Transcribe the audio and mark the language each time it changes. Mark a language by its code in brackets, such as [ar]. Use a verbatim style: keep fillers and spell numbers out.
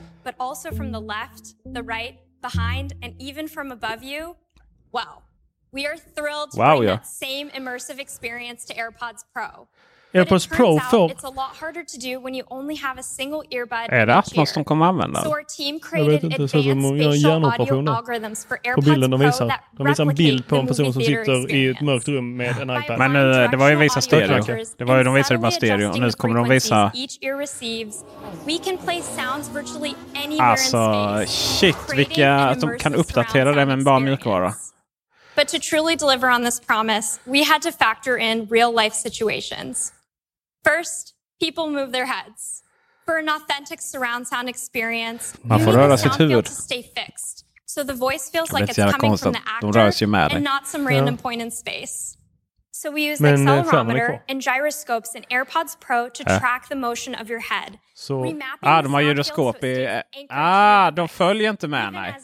[en] But also from the left, the right, behind and even from above you. Wow. We are thrilled to bring that same immersive experience to AirPods Pro. [sv] AirPods Pro får... Är det Atmos som kommer använda? Jag vet inte så många hjärnoperationer på bilden de visar. De visar en bild på en person som sitter i ett mörkt rum med en iPad. Men nu, det var ju visa stereo. Det var ju de visade bara stereo. Och nu kommer de visa... Alltså, shit, vilka... De kan uppdatera det med bara mjukvara. [en] But to truly deliver on this promise, we had to factor in real-life situations. First, people move their heads. For an authentic surround sound experience, [sv] man får röra sitt huvud. [en] To stay fixed, so the voice feels like it's coming from the actor and not some random yeah. point in space. So we use an accelerometer and gyroscopes in AirPods Pro to yeah. track the motion of your head. [sv] So, ah, de har gyroskop i... Ah, de följer inte med, nej.